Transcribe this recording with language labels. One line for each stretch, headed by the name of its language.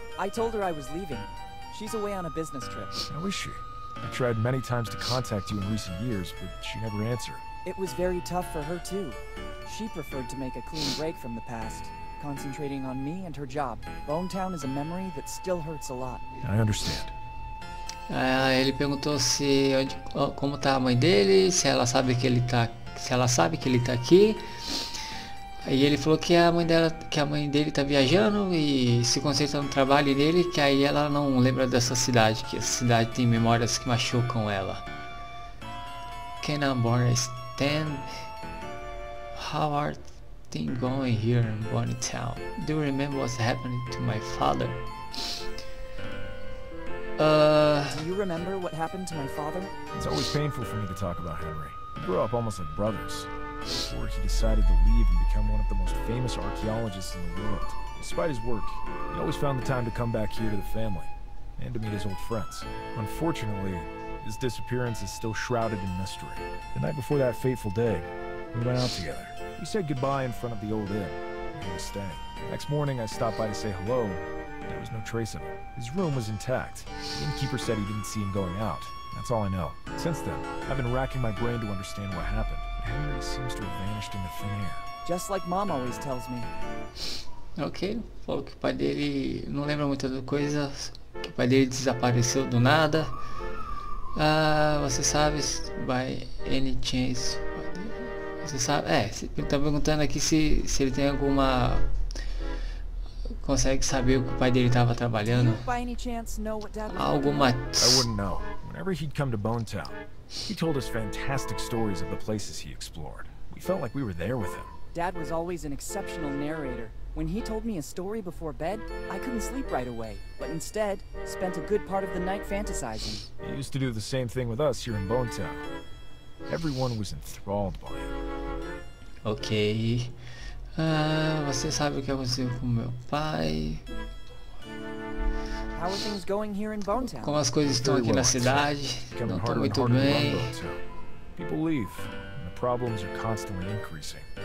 English: I told her I was leaving. She's away on a business trip. How is she? I tried many times to contact you in recent years, but she never answered. It was very tough for her too. She preferred to make a clean break from the past, concentrating on me and her job. Bone Town is a memory that still hurts a lot. I understand.
Portuguese: Ele perguntou se como tá a mãe dele, se ela sabe que ele tá aqui. Aí ele falou que a mãe dele tá viajando e se concentra no trabalho dele, que aí ela não lembra dessa cidade, que essa cidade tem memórias que machucam ela.
English: Can I understand? How are things going here in Bone Town? Do you remember what happened to my father? Do you remember what happened to my father? It's always painful for me to talk about Henry. We grew up almost like brothers. Before he decided to leave and become one of the most famous archaeologists in the world. Despite his work, he always found the time to come back here to the family and to meet his old friends. Unfortunately, his disappearance is still shrouded in mystery. The night before that fateful day, we went out together. We said goodbye in front of the old inn, where he was staying. Next morning, I stopped by to say hello. There was no trace of him. His room was intact. The innkeeper said he didn't see him going out. That's all I know. Since then, I've been racking my brain to understand what happened. Henry seems to have vanished into thin air. Just like Mom always tells me.
Portuguese: Okay, falou que o pai dele não lembra muita coisa, que o pai dele desapareceu do nada. Você sabe,
English: by any chance,
Portuguese: você sabe, tá perguntando aqui se ele tem alguma... Consegue saber o que o pai dele estava trabalhando? Alguma...
English: I wouldn't know. Whenever he'd come to Bone Town, he told us fantastic stories of the places he explored. We felt like we were there with him. Dad was always an exceptional narrator. When he told me a story before bed, I couldn't sleep right away, but instead, spent a good part of the night fantasizing. He used to do the same thing with us here in Bone Town. Everyone was enthralled by him. Okay.
Portuguese: Você sabe o que aconteceu com meu pai?
English: How are things going here in Bone Town?
Portuguese: Como as coisas estão aqui na cidade? Não tô muito bem.
English: People leave, and the problems are constantly increasing.